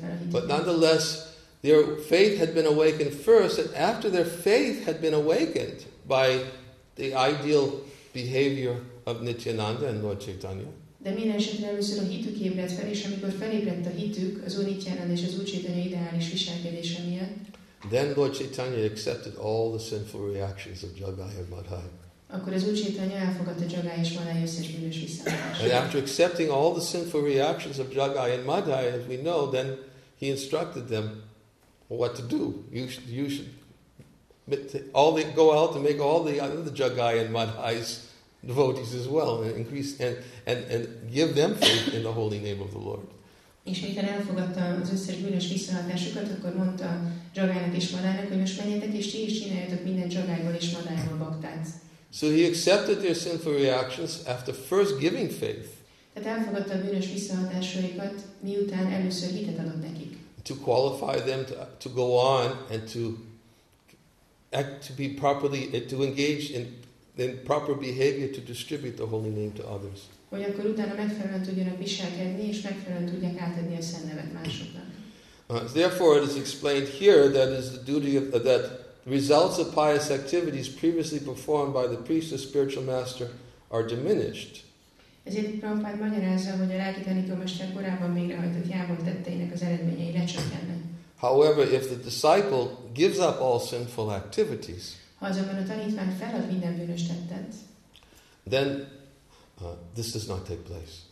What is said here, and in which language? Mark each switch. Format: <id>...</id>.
<en>But nonetheless, their faith had been awakened first, and after their faith had been awakened by the ideal behavior of Nityananda and Lord Chaitanya,</en> <hu>de minden esetre először a hitük ébredt fel, és amikor felébredt a hitük az Úr Nityananda és az Úr Chaitanya ideális viselkedése miatt,</hu> <en>then Lord Chaitanya accepted all the sinful reactions of Jagai and Madhai.</en> <hu>Akkor az Úr Csaitanya elfogadta Jagai és Madhai összes bűnös viselkedését.</hu> <en>And after accepting all the sinful reactions of Jagai and Madhai, as we know, then he instructed them what to do. You should go out and make all the other Jagai and Madhai's devotees as well, and increase and give them faith in the holy name of the Lord.</en> <hu>És miután elfogadta az összes bűnös viselkedését, akkor mondta Jagainak és Madhainak, hogy most menjetek és ti is csináljatok minden Jagaiból és Madhaiból baktát.</hu> <en>So he accepted their sinful reactions after first giving faith.</en> <hu>Tehát elfogadta a bűnös visszahatásaikat, miután először hitet adott nekik.</hu> <en>To qualify them to go on and to act to be properly, to engage in proper behavior to distribute the holy name to others.</en> <hu>Hogy akkor utána megfelelően tudjanak viselkedni és megfelelően tudják átadni a szent nevet másoknak.</hu> <en>Therefore, it is explained here that is the duty of that. Results of pious activities previously performed by the priest or spiritual master are diminished.</en> <hu>Ezért Prabhupád magyarázza, hogy a lelki tanítómester korábban végrehajtott jávolt tetteinek az eredményei lecsökkennek.</hu> <en>However, if the disciple gives up all sinful activities,</en> <hu>ha azonban a tanítvány felad minden bűnös tettet,</hu> <en>then this does not take place.</en>